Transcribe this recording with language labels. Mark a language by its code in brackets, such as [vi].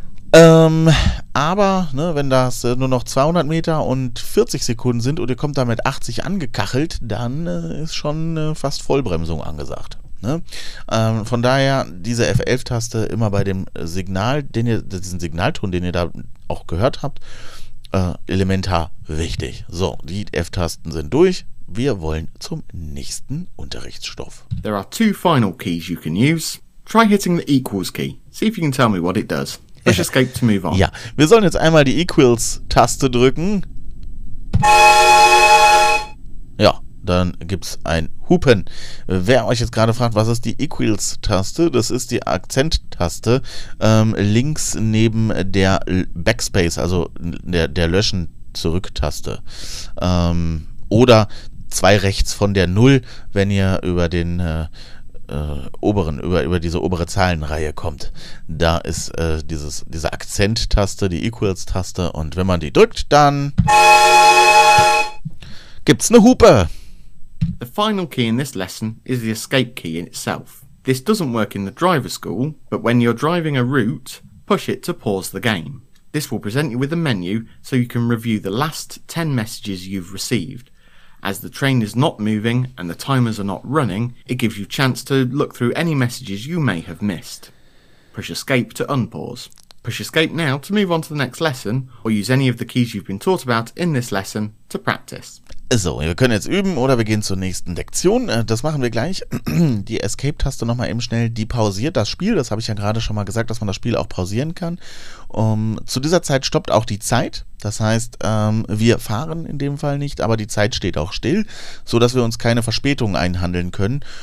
[de] Wenn das nur noch 200 Meter und 40 Sekunden sind und ihr kommt damit 80 angekachelt, dann ist schon fast Vollbremsung angesagt. Ne? Von daher, diese F11-Taste immer bei dem Signal, diesen Signalton, den ihr da auch gehört habt, elementar wichtig. So, die F-Tasten sind durch. Wir wollen zum nächsten Unterrichtsstoff. [en] There are two final keys you can use. Try hitting the equals key. See if you can tell me what it does. Push Escape to move on. [de] Ja, wir sollen jetzt einmal die Equals-Taste drücken. Ja, dann gibt's ein Hupen. Wer euch jetzt gerade fragt, was ist die Equals-Taste? Das ist die Akzent-Taste links neben der Backspace, also der Löschen-Zurück-Taste. Oder zwei rechts von der Null, wenn ihr über den... über diese obere Zahlenreihe kommt. Da ist diese Akzent-Taste, die Equals-Taste, und wenn man die drückt, dann gibt's eine Hupe. [en] The final key in this lesson is the escape key in itself. This doesn't work in the driver school, but when you're driving a route, push it to pause the game. This will present you with a menu so you can review the last 10 messages you've received. As the train is not moving and the timers are not running, it gives you a chance to look through any messages you may have missed. Push Escape to unpause. Push Escape now to move on to the next lesson or use any of the keys you've been taught about in this lesson to practice. [de] So, wir können jetzt üben oder wir gehen zur nächsten Lektion. Das machen wir gleich. Die Escape-Taste nochmal eben schnell, die pausiert das Spiel. Das habe ich ja gerade schon mal gesagt, dass man das Spiel auch pausieren kann. Zu dieser Zeit stoppt auch die Zeit. Das heißt, wir fahren in dem Fall nicht, aber die Zeit steht auch still, sodass wir uns keine Verspätung einhandeln können.